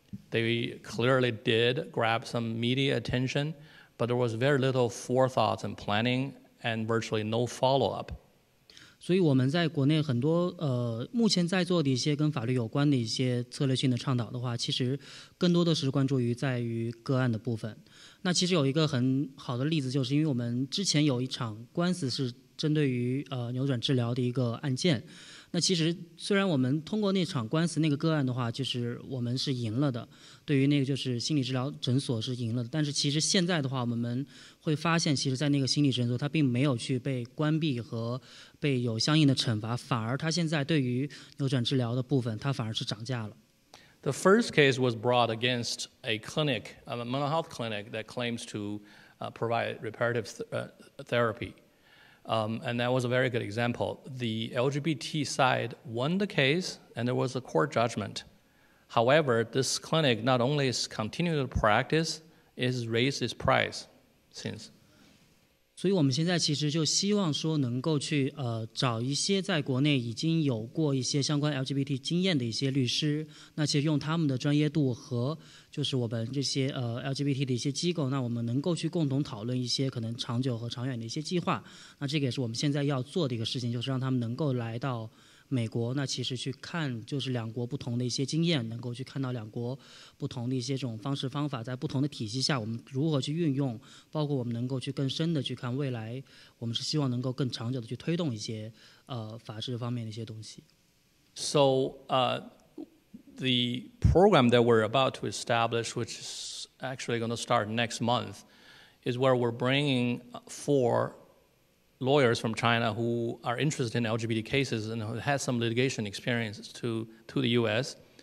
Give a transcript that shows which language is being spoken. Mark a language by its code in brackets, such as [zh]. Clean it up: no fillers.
[en] They clearly did grab some media attention, but there was very little forethought and planning and virtually no follow-up. [zh] 所以我们在国内很多目前在做的一些跟法律有关的一些策略性的倡导的话，其实更多的是关注于在于个案的部分。那其实有一个很好的例子，就是因为我们之前有一场官司是针对于扭转治疗的一个案件。那其实虽然我们通过那场官司那个个案的话，就是我们是赢了的，对于那个就是心理治疗诊所是赢了的，但是其实现在的话，我们会发现其实在那个心理诊所它并没有去被关闭和被有相应的惩罚，反而它现在对于扭转治疗的部分它反而是涨价了。 [en] The first case was brought against a clinic, a mental health clinic that claims to provide reparative therapy. And that was a very good example. The LGBT side won the case and there was a court judgment. However, this clinic not only is continuing to practice, it has raised its price since. [zh] 所以我们现在其实就希望说能够去找一些在国内已经有过一些相关 LGBT 经验的一些律师，那其实用他们的专业度和就是我们这些LGBT 的一些机构，那我们能够去共同讨论一些可能长久和长远的一些计划，那这个也是我们现在要做的一个事情，就是让他们能够来到美国，那其实去看就是两国不同的一些经验，能够去看到两国不同的一些这种方式方法，在不同的体系下我们如何去运用，包括我们能够去更深的去看未来，我们是希望能够更长久的去推动一些法治方面的一些东西。 [en] So the program that we're about to establish, which is actually going to start next month, is where we're bringing four lawyers from China who are interested in LGBT cases and who had some litigation experience to the U.S.